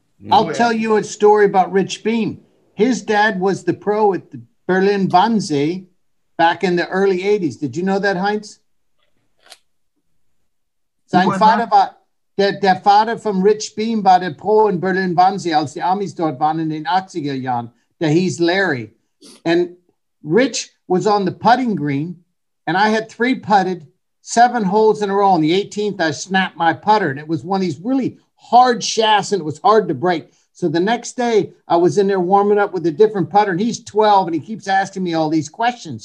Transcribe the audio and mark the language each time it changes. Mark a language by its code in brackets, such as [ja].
[en] I'll tell you a story about Rich Beam. His dad was the pro at the Berlin Wannsee back in the early 80s. Did you know that, Heinz? [de] Der Vater von Rich Beam war der Pro in Berlin Wannsee, als die Amis dort waren in den 80er Jahren. [en] That he's Larry. And Rich was on the putting green, and I had 3 putted, 7 holes in a row. On the 18th, I snapped my putter, and it was one of these really hard shafts, and it was hard to break. So the next day, I was in there warming up with a different putter, and he's 12, and he keeps asking me all these questions.